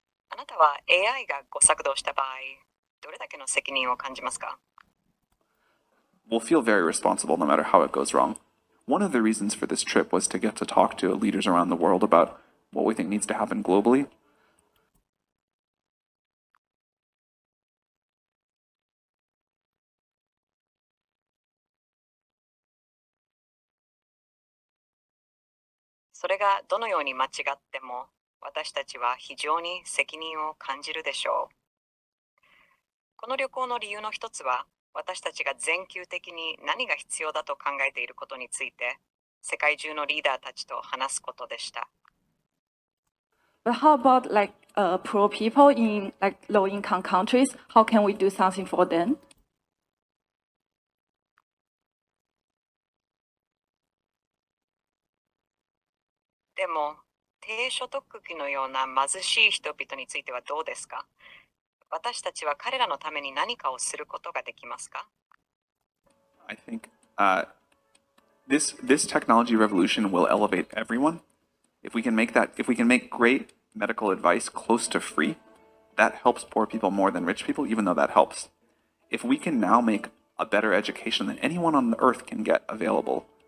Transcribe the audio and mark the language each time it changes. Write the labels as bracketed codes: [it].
[ja] あなたは AI が誤作動した場合、どれだけの責任を感じますか? [en] We'll feel very responsible no matter how it goes wrong. One of the reasons for this trip was to get to talk to leaders around the world about what we think needs to happen globally. [ja] それがどのように間違っても、私たちは非常に責任を感じるでしょう。この旅行の理由の一つは、私たちが全球的に何が必要だと考えていることについて、世界中のリーダーたちと話すことでした。 [en] But how about like, poor people in like, low-income countries? How can we do something for them? [ja] でも、低所得区のような貧しい人々についてはどうですか? 私たちは彼らのために何かをすることができますか? [en] I think, this technology revolution will elevate everyone. If we can make great medical advice close to free, that helps poor people more than rich people, even though that helps. If we can now make a better education than anyone on the earth can get available,